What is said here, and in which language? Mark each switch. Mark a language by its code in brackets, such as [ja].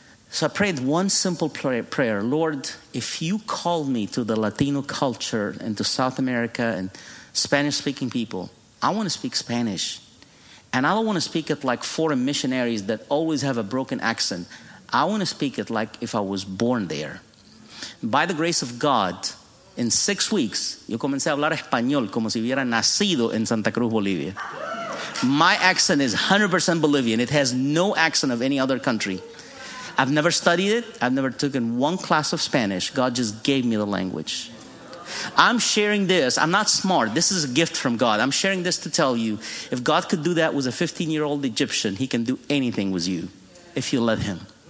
[en] So I prayed one simple prayer. "Lord, if you call me to the Latino culture and to South America and Spanish-speaking people, I want to speak Spanish. And I don't want to speak it like foreign missionaries that always have a broken accent. I want to speak it like if I was born there." By the grace of God, in 6 weeks, [es] yo comencé a hablar español como si hubiera nacido en Santa Cruz, Bolivia. [en] My accent is 100% Bolivian. It has no accent of any other country. I've never studied it. I've never taken one class of Spanish. God just gave me the language. I'm sharing this. I'm not smart. This is a gift from God. I'm sharing this to tell you, if God could do that with a 15-year-old Egyptian, he can do anything with you if you let him.